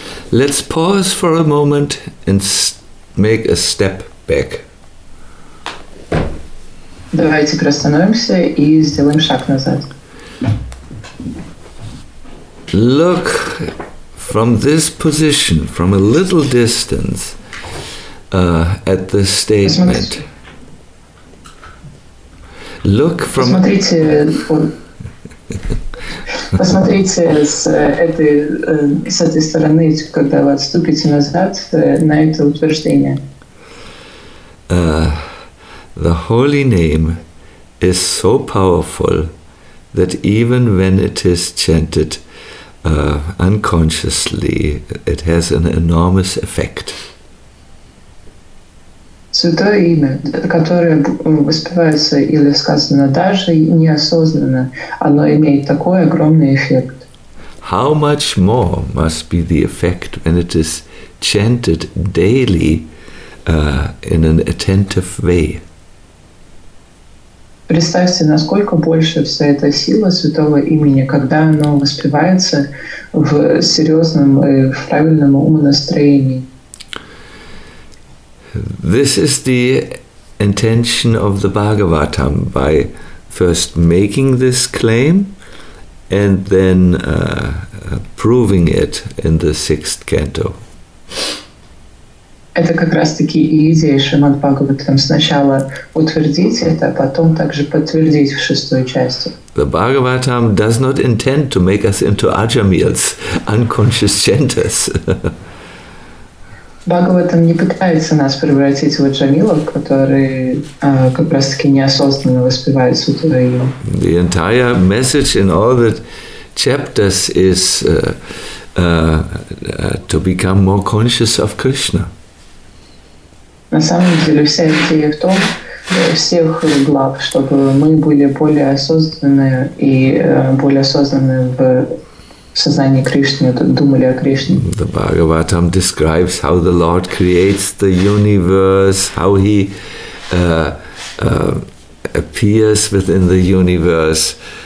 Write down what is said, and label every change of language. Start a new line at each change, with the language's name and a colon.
English: Let's pause for a moment and make a step back.
Russian: Давайте приостановимся и сделаем шаг назад.
English: Look. From this position, from a little distance, at the statement. Look from.
Russian: Посмотрите. Посмотрите с этой стороны, когда вы отступите назад на это утверждение.
English: The holy name is so powerful that even when it is chanted. Unconsciously, it has an enormous effect.
Russian: Святое имя, которое воспевается или сказано даже неосознанно, оно имеет такой огромный эффект.
English: How much more must be the effect when it is chanted daily in an attentive way?
Russian: Представьте, насколько больше вся эта сила святого имени, когда оно воспевается в серьезном и в правильном умонастроении.
English: This is the intention of the Bhagavatam by first making this claim and then proving it in the sixth canto.
Russian: Это как раз-таки и идея Шримад-Бхагаватам. Сначала утвердить это, а потом также подтвердить в шестой части.
English: The Bhagavatam does not intend to make us into Ajamils, unconscious chanters.
Russian: Бхагаватам не пытается нас превратить в Аджамилов, которые как раз-таки неосознанно воспевают Сутру-Йогу.
English: The entire message in all the chapters is to become more conscious of Krishna.
Russian: На самом деле, вся идея в том, всех глав, чтобы мы были более осознанны и более осознанны в сознании Кришны, думали о Кришне.
English: The Bhagavatam describes how the Lord creates the universe, how he appears within the universe.